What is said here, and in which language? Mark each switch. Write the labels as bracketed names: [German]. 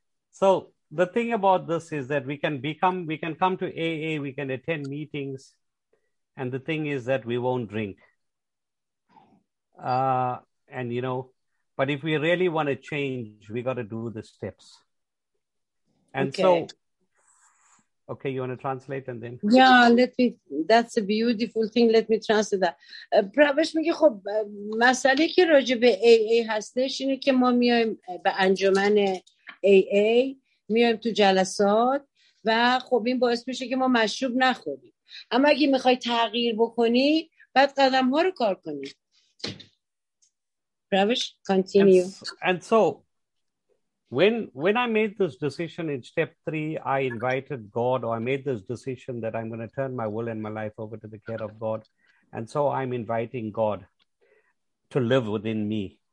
[English] So the thing about this is that we can come to AA, we can attend meetings, and the thing is that we won't drink. And you know, but if we really want to change, we got to do the steps. And okay. So, okay, you want to translate and then? Yeah, let me, that's a beautiful thing. Let me translate that. [Persian] Pravesh میگه خب مسئله که راجع به AA هستش اینه که ما میایم به انجمن AA، میایم تو جلسات و خب این باعث میشه که ما مشروب نخوریم. اما اگه میخوای تغییر بکنی، بعد قدم ها رو کار کنی. [English] Continue. And so when I made this decision in step three, I invited God, or I made this decision that I'm going to turn my will and my life over to the care of God. And so I'm inviting God to live within me.